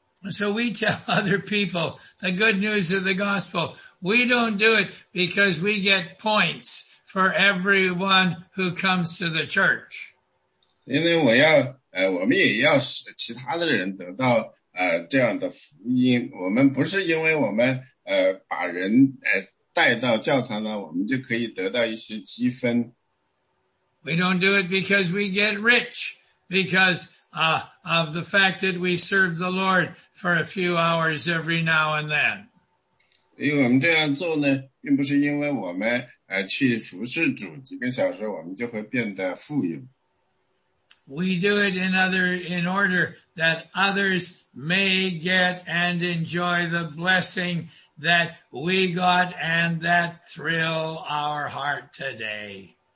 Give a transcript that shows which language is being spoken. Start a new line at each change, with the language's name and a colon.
English: So we tell other people the good news of the gospel. We don't do it because we get points for everyone who comes to the church.
Chinese: 因为我们也要使其他的人得到这样的福音。我们不是因为我们把人带到教堂呢，我们就可以得到一些积分。
English: We don't do it because we get rich, because of the fact that we serve the Lord for a few hours every now and then.
Chinese: 因为我们这样做呢，并不是因为我们去服侍主几个小时，我们就会变得富有。
English: We do it in order that others may get and enjoy the blessing that we got, and that thrill our heart today.